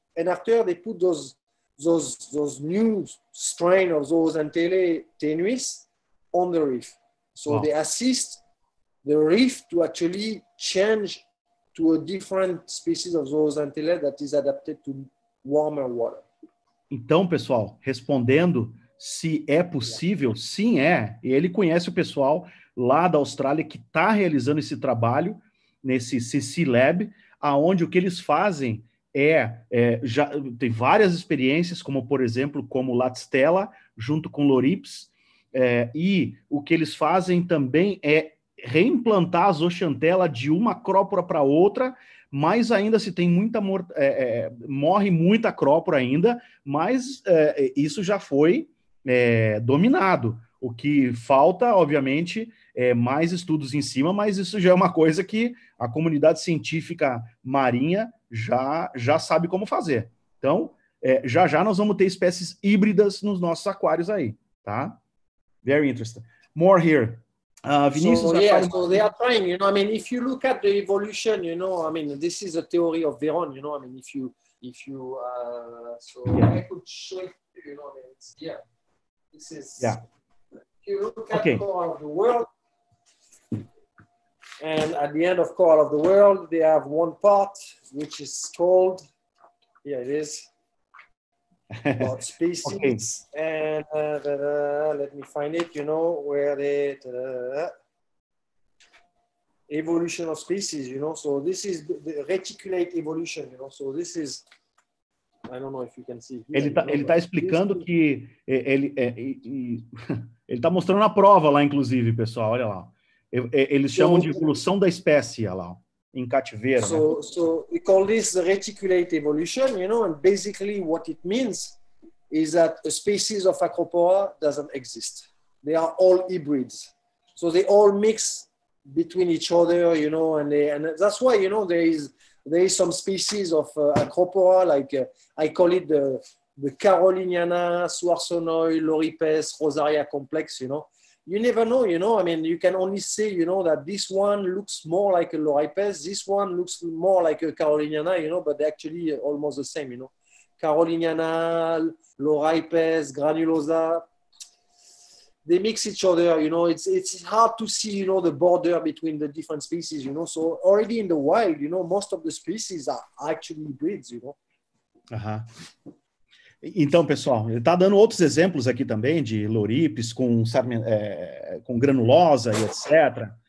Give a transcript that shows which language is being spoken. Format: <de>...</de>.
<en>And after they put those new strain of those antennae tenuis on the reef. So wow, they assist the reef to actually change to a different species of those antennae that is adapted to warmer water.</en> <pt>Então, pessoal, respondendo, se é possível, sim, é. E ele conhece o pessoal lá da Austrália que está realizando esse trabalho nesse CC Lab, onde o que eles fazem já tem várias experiências, como, por exemplo, como Latistela, junto com Lorips, e o que eles fazem também é reimplantar a zooxantela de uma acrópora para outra, mas ainda se tem muita morre muita acrópora ainda, mas isso já foi dominado. O que falta, obviamente, é mais estudos em cima, mas isso já é uma coisa que a comunidade científica marinha já sabe como fazer. Então, já nós vamos ter espécies híbridas nos nossos aquários aí, tá?</pt> <en>Very interesting. More here. Vinícius, So they are trying, you know, I mean, if you look at the evolution, you know, I mean, this is a theory of Veron, you know, I mean, I could show it to you, you know, I mean, it's here. If you look at coral of the world, and at the end of coral of the world, they have one part which is called, here it is, called species. Okay. And let me find it, you know, where they, evolution of species, you know. So this is the reticulate evolution, you know. So this is, I don't know if you can see.</en> <pt>Ele tá explicando que ele tá mostrando a prova lá, inclusive, pessoal. Olha lá. Eles chamam de evolução da espécie, olha lá, em cativeiro.</pt> <en>So we call this the reticulate evolution, you know, and basically what it means is that a species of Acropora doesn't exist. They are all hybrids. So they all mix between each other, you know, and that's why, you know, there is some species of Acropora, like I call it the Caroliniana, Suarsonoi, Loripes, Rosaria complex, you know. You never know, you know. I mean, you can only say, you know, that this one looks more like a Loripes, this one looks more like a Caroliniana, you know, but they're actually almost the same, you know. Caroliniana, Loripes, Granulosa, they mix each other, you know. It's hard to see, you know, the border between the different species, you know. So already in the wild, you know, most of the species are actually breeds, you know.</en> <pt>Então, pessoal, ele está dando outros exemplos aqui também de Loripes com granulosa e etc.</pt>